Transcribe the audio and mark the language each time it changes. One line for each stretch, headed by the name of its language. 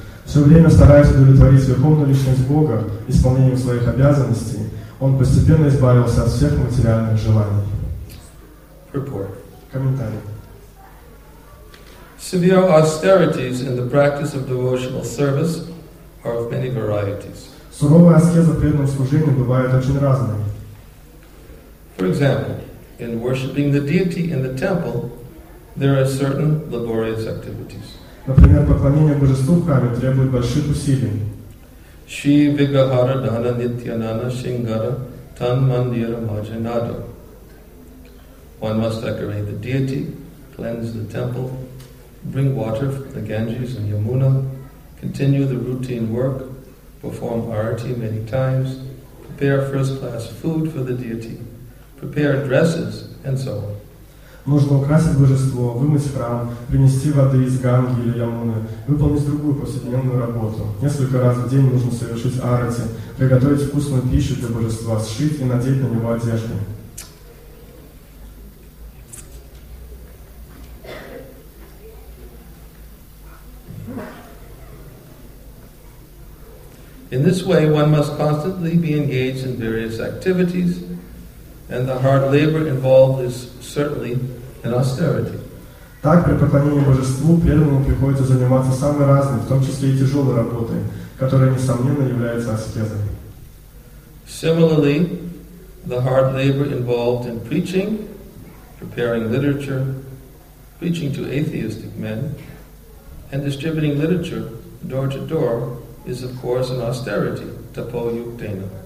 Russian: Все время стараясь удовлетворить Верховную Личность Бога исполнением своих обязанностей, он постепенно избавился от всех материальных желаний.
English: Report.
Russian: Комментарий.
English: Severe austerities in the practice of devotional service are of many varieties.
Russian: Суровая аскеза в преданном служении бывает очень разной.
English: For example, in worshipping the deity in the temple, there are certain laborious activities.
Russian: Например, поклонение божеству в храме требует больших усилий.
Sanskrit: Shri Vigahara Dhana Nityanana Shingara Tan Mandira Majanado.
English: One must decorate the deity, cleanse the temple, bring water from the Ganges and Yamuna, continue the routine work, perform arati many times, prepare first-class food for the deity, prepare dresses, and so on.
Russian: Нужно украсить божество, вымыть храм, принести воды из Ганги или Ямуны, выполнить другую повседневную работу. Несколько раз в день нужно совершить арати, приготовить вкусную пищу для божества, сшить и надеть на него одежду.
English: In this way, one must constantly be engaged in various activities, and the hard labor involved is certainly an austerity.
Russian: Так, при поклонении божеству, преданному приходится заниматься самой разной, в том числе и тяжелой работой, которая, несомненно, является аскезой.
English: Similarly, the hard labor involved in preaching, preparing literature, preaching to atheistic men, and distributing literature door to door is, of course, an austerity,
Sanskrit: tapo yuktena.